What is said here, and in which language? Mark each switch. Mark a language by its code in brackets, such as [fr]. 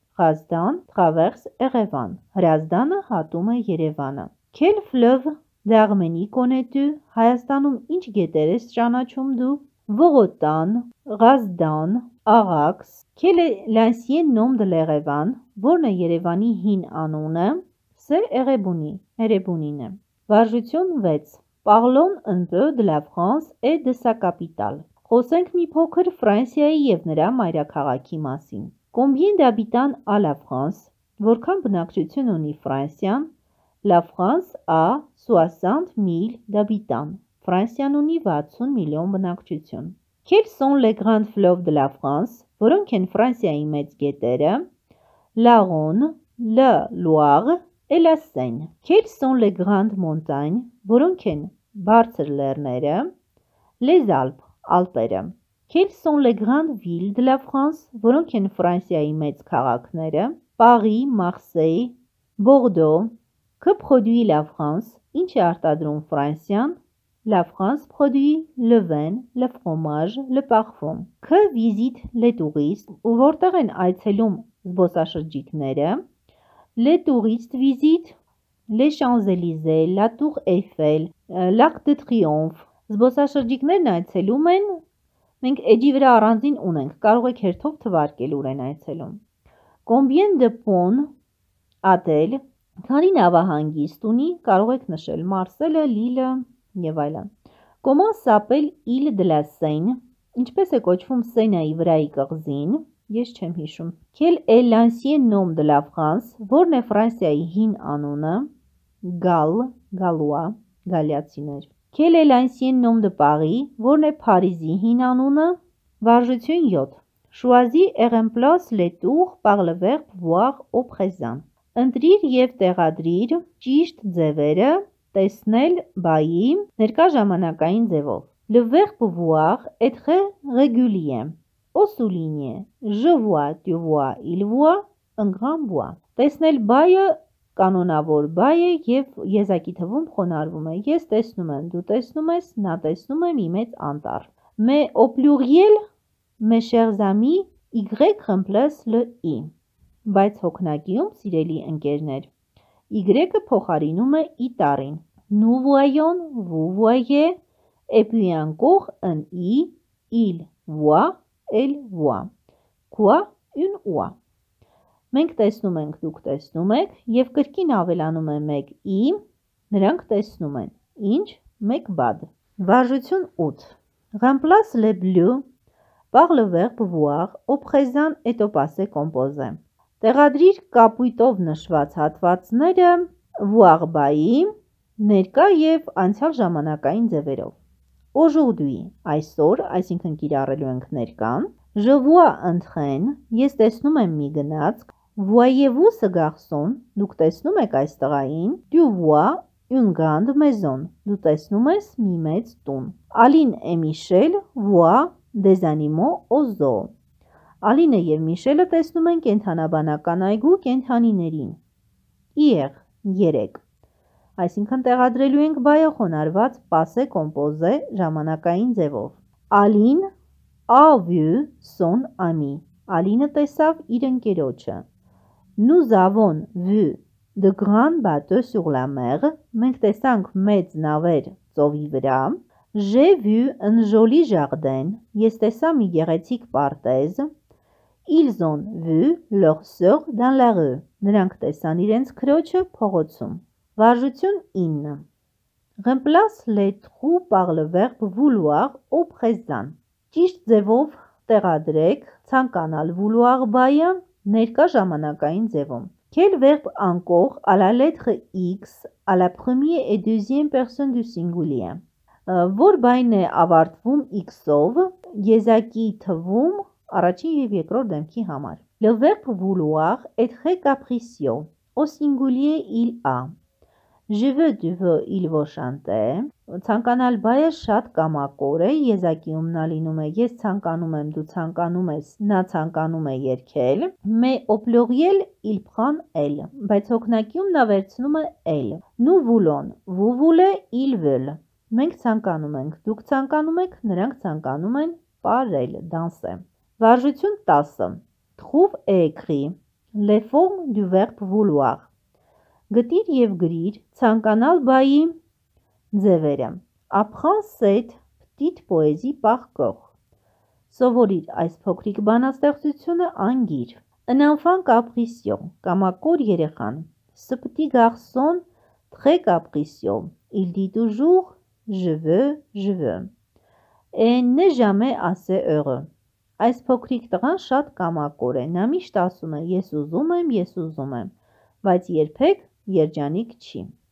[hy] Ղազդան, traverse Երևան, Հրազդանը հատում է Երևանը։ [fr] Quel fleuve d'Arménie connais-tu, [hy] Հայաստանում ինչ գետեր ես ճանաչում դու։ [fr] Vorotan, Ghazdan, Arax, quel est l'ancien nom de l'Erevan, [hy] որն է Երևանի հին անունը, Սեր Էրեբունի, Էրեբունին է։ Վարժություն 6. [fr] Parlons un peu de la France et de sa capitale. [hy] Խոսենք մի փոքր Ֆրանսիայի եւ նրա մայրաքաղաքի մասին։ [fr] Combien d'habitants a la France? [hy] Որքան բնակչություն ունի Ֆրանսիան? [fr] La France a 60 000 d'habitants. [hy] Ֆրանսիան ունի 60 միլիոն բնակչություն։ [fr] Quels sont les grands fleuves de la France? [hy] Որոնք են Ֆրանսիայի մեծ գետերը? [fr] La Rhône, le Loire et la Seine. Quels sont les grandes montagnes? [hy] Որոնք են բարձր լեռները? [fr] Les Alpes, Ալպերը. Quels sont les grandes villes de la France? [hy] Որոնք են Ֆրանսիայի մեծ քաղաքները? Paris, Marseille, Bordeaux. [fr] Que produit la France? [hy] Ինչ է արտադրում Ֆրանսիան? [fr] La France produit le vin, le fromage, le parfum. Que visite les touristes? [hy] Ու որտեղ են այցելում զբոսաշրջիկները? [fr] Les touristes visitent les Champs-Élysées, la Tour Eiffel, l'Arc de Triomphe. [hy] Զբոսաշրջիկներն այցելում են, մենք էջի վրա առանձին ունենք, կարող եք հերթով թվարկել ուր են այցելում. [fr] Combien de ponts a-t-elle? [hy] Քանի նավահանգիստ ունի, կարող եք նշել Մարսելը, Լիլը եւ այլն։ [fr] Comment s'appelle l'île de la Seine? [hy] Ինչպես է կոչվում Սենայի վրայի կղզին? Ես չեմ հիշում։ [fr] Quel est l'ancien nom de la France? [hy] Որն է Ֆրանսիայի հին անունը? [fr] Gall, Gallois, Գալիացիներ։ Quel est l'ancien nom de Paris? [hy] Որն է Փարիզի հին անունը? Վարժություն 7. [fr] Choisis et remplace les tours par le verbe voir au présent. [hy] Ընտրիր եւ տեղադրիր ճիշտ ձևերը տեսնել բայի ներկա ժամանակային ձևով. [fr] Le verbe voir est très régulier. Au souligner, je vois, tu vois, il voit, un grand voit. [hy] Տեսնել բայը կանոնավոր բայ է եւ եզակի թվում խոնարհվում է. Ես տեսնում եմ, դու տեսնում ես, նա տեսնում է մի մեծ անտառ. [fr] Mais au pluriel, mes chers amis, y remplace le i. [hy] Բայց հոգնակիում, սիրելի ընկերներ, Y-ը փոխարինում է i տառին. [fr] Nous voyons, vous voyez, et puis encore un i, il voit, elle voit. Quoi? Une oie. [hy] Մենք տեսնում ենք, դուք տեսնում եք, եւ կրկին ավելանում է մեկ i, նրանք տեսնում են։ Ինչ? Մեկ բադ։ Վարժություն 8. [fr] Remplace le bleu par le verbe voir au présent et au passé composé. [hy] Տեղադրիր կապույտով նշված հատվածները voir by ներկա եւ անցյալ ժամանակային ձևերով։ Aujourd'hui, այսօր, այսինքն կիրառելու ենք ներկան, [fr] je vois un train, [hy] ես տեսնում եմ մի գնացք, [fr] voyez-vous ce garçon, [hy] դուք տեսնում եք այս տղային, [fr] tu vois une grande maison, [hy] դու տեսնում ես մի մեծ տուն։ [fr] Aline et Michel voient des animaux au zoo. [hy] Ալինը եւ Միշելը տեսնում են կենթանաբանական այգու կենթանիներին։ Իեր 3. Այսինքն տեղադրելու ենք բայը խոնարհված passé composé ժամանակային ձևով։ Ալին [fr] a vu son ami. [hy] Ալինը տեսավ իր ընկերոջը։ [fr] Nous avons vu de grands bateaux sur la mer. [hy] Մենք տեսանք մեծ նավեր ծովի վրա։ [fr] J'ai vu un joli jardin. [hy] Ես տեսա մի գեղեցիկ պարտեզ։ [fr] Ils ont vu leur sœur dans la rue. [hy] Նրանք տեսան իրենց քրոջը փողոցում։ Վարժություն 9. [fr] Remplace les trous par le verbe vouloir au présent. [hy] Ճիշտ ձևով տեղադրեք ցանկանալ vouloir by-ը ներկա ժամանակային ձևում։ [fr] Quel verbe encore à la lettre X à la première et deuxième personne du singulier? [hy] Որ բայն է ավարտվում X-ով, եզակի թվում առաջին եւ երկրորդ դեմքի համար. [fr] Le verbe vouloir est très capricieux, au singulier il a. Je veux du feu, il veut chanter. [hy] Ցանկանալ բայը շատ կամակոր է, եզակիում նա լինում է ես ցանկանում եմ, դու ցանկանում ես, նա ցանկանում է երգել. [fr] Mais au pluriel, il prend elle. [hy] Բայց օգնակիում նա վերցնում է elle. [fr] Nous voulons, vous voulez, ils veulent. [hy] Մենք ցանկանում ենք, դուք ցանկանում եք, նրանք ցանկանում են [fr] parler, danser. [hy] Վարժություն 10. [fr] Trouve et écris les formes du verbe vouloir. [hy] Գտիր եւ գրիր ցանկանալ բայի ձևերը. [fr] Apprends cette petite poésie par cœur. [hy] Սովորիր այս փոքրիկ բանաստեղծությունը անգիր. [fr] Un enfant capricieux, [hy] կամակոր երեխան. [fr] Ce petit garçon très capricieux. Il dit toujours je veux, je veux. Et ne jamais assez heureux. [hy] Այս փոքրիկ տղան շատ կամակոր է, նա միշտ ասում է ես ուզում եմ, ես ուզում եմ, բայց երբեք երջանիկ չի.